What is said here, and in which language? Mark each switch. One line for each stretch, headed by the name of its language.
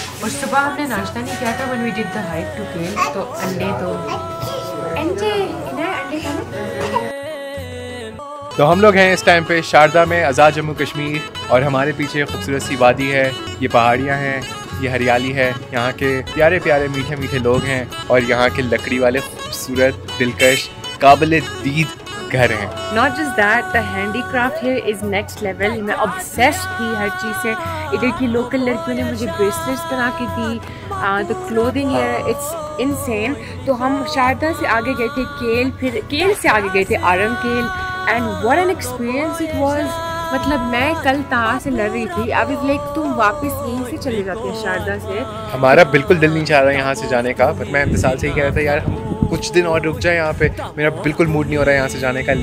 Hindi: और सुबह हमने नाश्ता नहीं किया था,
English: when we did the hike to Kel,
Hindi: तो अंडे तो एंजे इन्हें अंडे खाना। तो हम लोग हैं इस टाइम पे शारदा में, आज़ाद जम्मू कश्मीर, और हमारे पीछे खूबसूरत सी वादी है, ये पहाड़ियाँ हैं, ये हरियाली है, यहाँ के प्यारे प्यारे मीठे मीठे लोग हैं, और यहाँ के लकड़ी वाले खूबसूरत दिलकश काबिल दीद घर है.
English: Not just that, the handicraft here is next level.
Hindi: मैं obsessed थी हर चीज से. इधर की local लड़कियों ने मुझे bracelets करा के दी.
English: The clothing here, it's insane.
Hindi: तो हम शारदा से आगे गए थे केल, फिर केल से आगे गए थे आरंग केल.
English: And what an experience it was.
Hindi: मतलब मैं कल तार से लड़ रही थी, अब लाइक तुम वापस यहीं से चले जाते हैं शारदा से. हमारा बिल्कुल दिल नहीं चाह रहा यहाँ से जाने का, बट मैं मिसाल से ही कह रहा था यार हम कुछ दिन और रुक जाए यहाँ पे, मेरा बिल्कुल मूड नहीं हो रहा है यहाँ से जाने का.